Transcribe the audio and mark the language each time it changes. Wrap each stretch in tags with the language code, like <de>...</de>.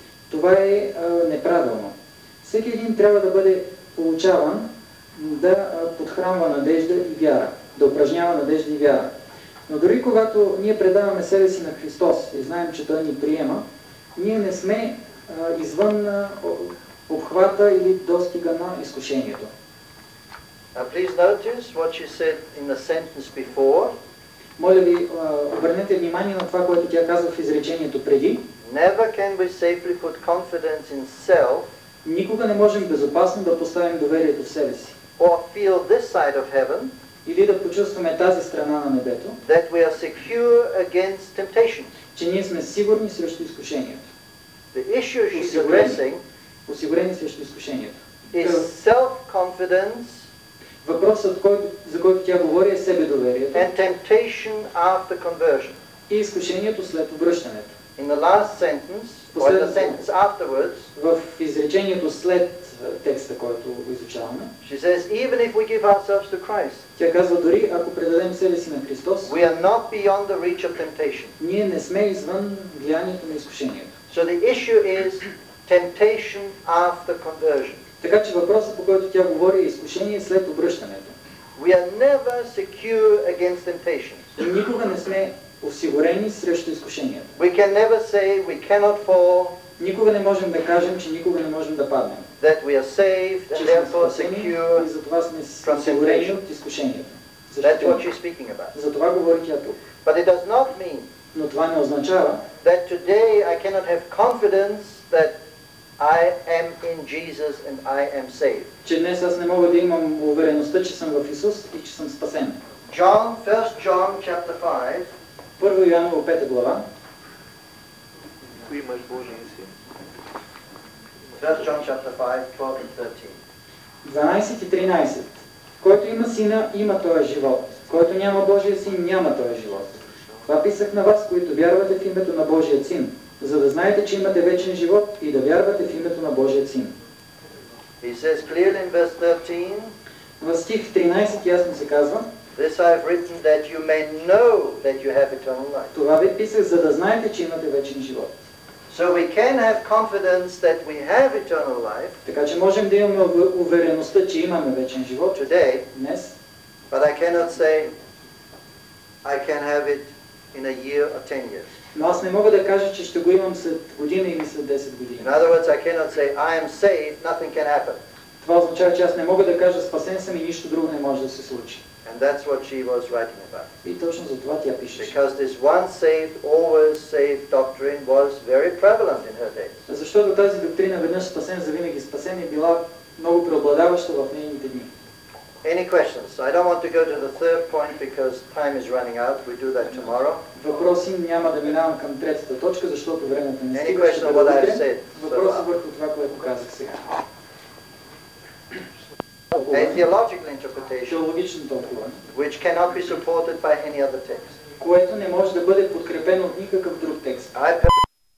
<bg>Това е неправилно. Всеки един трябва да бъде получаван да подхранва надежда и вяра, да упражнява надежда и вяра. Но дори когато ние предаваме себе си на Христос и знаем, че Той ни приема, ние не сме извън обхвата или достига на изкушението.</bg> <en>Now please notice what she said in the sentence before.</en> <bg>Моля ви, обърнете внимание на това, което тя казва в изречението преди.</bg> <en>Never can we safely put confidence in self.</en> <bg>Никога не можем безопасно да поставим доверието в себе си.</bg> <en>Or feel this side of heaven.</en> <bg>Или да почувстваме тази страна на небето.</bg> <en>That we are secure against temptation.</en> <bg>Че ние сме сигурни срещу изкушението.</bg> <en>The issue she's addressing.</en> <bg>Осигурени срещу изкушението.</bg> <en>Is self-confidence.</en> <bg>Въпросът, за който тя говори, е себедоверието.</bg> <en>And temptation after conversion.</en> <bg>И изкушението след обръщането.</bg> <en>In the last sentence, or the sentence afterwards,</en> <bg>в изречението след текста, който изучаваме,</bg> <en>she says, even if we give ourselves to Christ,</en> <bg>тя казва, дори ако предадем себе си на Христос,</bg> <en>we are not beyond the reach of temptation.</en> <bg>Ние не сме извън влиянието на изкушението.</bg> <en>So the issue is temptation after conversion.</en> <bg>Така че въпросът, по който тя говори, е изкушение след обръщането.</bg> <en>We are never secure against temptations.</en> <bg>Никога не сме осигурени срещу изкушенията.</bg> <en>We can never say we cannot fall.</en> <bg>Никога не можем да кажем, че никога не можем да паднем.</bg> <en>That we are saved,</en> <bg>че</bg> <en>and therefore secure.</en> <bg>И затова сме осигурени от изкушенията.</bg> <en>That's what she's speaking about.</en> <bg>Затова говори тя тук.</bg> <en>But it does not mean,</en> <bg>но това не означава,</bg> <en>that today I cannot have confidence that I am in Jesus and I am saved.</en> <bg>Че днес аз не мога да имам увереността, че съм в Исус и че съм спасен.</bg> <en>John, 1 John chapter 5.</en> <bg>Първо Йоанново 5 глава. Кой имаш Божия син?</bg> <en>1 John chapter 5, 12 and 13.</en> <bg>12 и 13. Който има сина, има този живот. Който няма Божия син, няма този живот. Това писах на вас, които вярвате в името на Божия син, за да знаете, че имате вечен живот и да вярвате в името на Божия син.</bg> <en>He says clearly in verse 13.</en> <bg>В стих 13 ясно се казва.</bg> <en>This I have written that you may know that you have eternal life.</en> <bg>Това ви писах, за да знаете, че имате вечен живот.</bg> <en>So we can have confidence that we have eternal life.</en> <bg>Така че можем да имаме увереността, че имаме вечен живот</bg> <en>today.</en> <bg>Днес.</bg> <en>But I cannot say I can have it in a year or 10 years.</en> <bg>Но аз не мога да кажа, че ще го имам след година или след 10 години.</bg> <en>In other words, I cannot say I am saved, nothing can happen.</en> <bg>Това означава, че аз не мога да кажа спасен съм и нищо друго не може да се случи.</bg> <en>And that's what she was writing about.</en> <bg>И точно за това тя пише.</bg> <en>Because this once saved, always saved doctrine was very prevalent in her days.</en> <bg>Защото тази доктрина веднъж спасен завинаги спасен е била много преобладаваща в нейните дни.</bg> <en>Any questions? I don't want to go to the third point because time is running out. We do that tomorrow.</en> <bg>Въпроси няма да минавам към третата точка, защото времето не стига.</bg> <en>Any question on what I have said?</en> <bg>Въпроси върху това, което казах сега.</bg> <en>A theological interpretation,</en> <bg>теологичното тълкуване,</bg> <en>which cannot be supported by any other text.</en> <bg>Което не може да бъде подкрепено от никакъв друг текст.</bg>